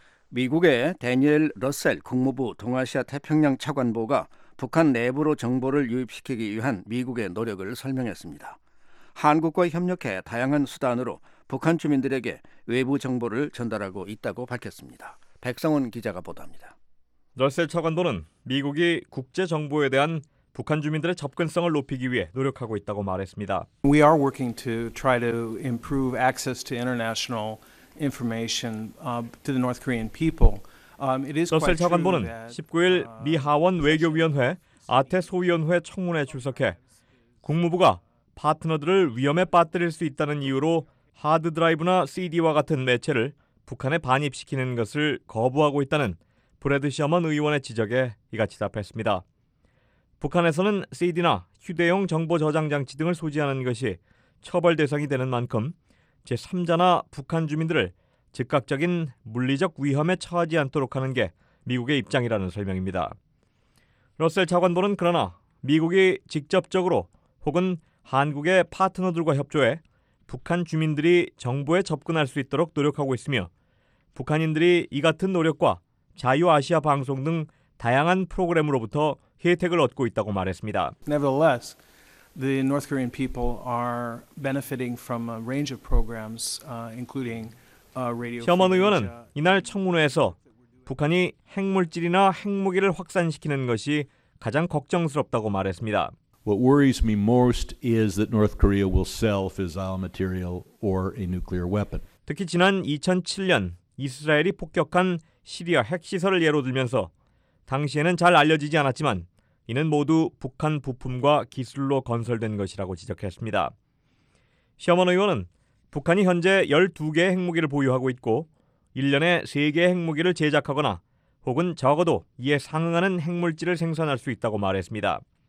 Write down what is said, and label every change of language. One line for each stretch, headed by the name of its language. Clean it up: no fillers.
Korean: 미국의 대니엘 러셀 국무부 동아시아 태평양 차관보가 북한 내부로 정보를 유입시키기 위한 미국의 노력을 설명했습니다. 한국과 협력해 다양한 수단으로 북한 주민들에게 외부 정보를 전달하고 있다고 밝혔습니다. 백성훈 기자가 보도합니다. 러셀 차관보는 미국이 국제정보에 대한 북한 주민들의 접근성을 높이기 위해 노력하고 있다고 말했습니다.
English: We are working to try to improve access to international information to the North Korean people. It is
Korean: 러셀 차관보는 19일 미 하원 외교위원회 아태소위원회 청문회에 출석해 국무부가 파트너들을 위험에 빠뜨릴 수 있다는 이유로 하드드라이브나 CD와 같은 매체를 북한에 반입시키는 것을 거부하고 있다는 브래드 셔먼 의원의 지적에 이같이 답했습니다. 북한에서는 CD나 휴대용 정보 저장 장치 등을 소지하는 것이 처벌 대상이 되는 만큼 제3자나 북한 주민들을 즉각적인 물리적 위험에 처하지 않도록 하는 게 미국의 입장이라는 설명입니다. 러셀 차관보는 그러나 미국이 직접적으로 혹은 한국의 파트너들과 협조해 북한 주민들이 정부에 접근할 수 있도록 노력하고 있으며 북한인들이 이 같은 노력과 자유아시아 방송 등 다양한 프로그램으로부터 혜택을 얻고 있다고 말했습니다.
English: Nevertheless, the North Korean people are benefiting from a range of programs, including radio.
Korean: 셔먼 의원은 이날 청문회에서 북한이 핵물질이나 핵무기를 확산시키는 것이 가장 걱정스럽다고 말했습니다.
English: What worries me most is that North Korea will sell fissile material or a nuclear weapon.
Korean: 특히 지난 2007년 이스라엘이 폭격한 시리아 핵시설을 예로 들면서 당시에는 잘 알려지지 않았지만 이는 모두 북한 부품과 기술로 건설된 것이라고 지적했습니다. 셔먼 의원은 북한이 현재 12개의 핵무기를 보유하고 있고 1년에 3개의 핵무기를 제작하거나 혹은 적어도 이에 상응하는 핵물질을 생산할 수 있다고 말했습니다.